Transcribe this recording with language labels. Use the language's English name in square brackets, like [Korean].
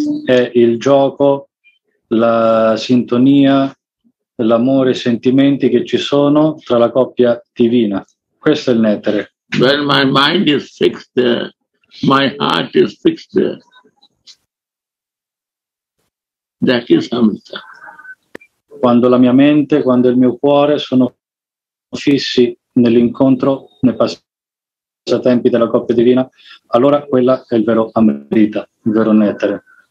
[Italian] È il gioco, la sintonia, l'amore, i sentimenti che ci sono tra la coppia divina. Questo è il nettare. [English] When my mind is fixed there, my heart is fixed there. That is amrita. [Italian] quando la mia mente, quando il mio cuore sono fissi nell'incontro, nei passatempi della coppia divina, allora quella è il vero amrita, il vero netere.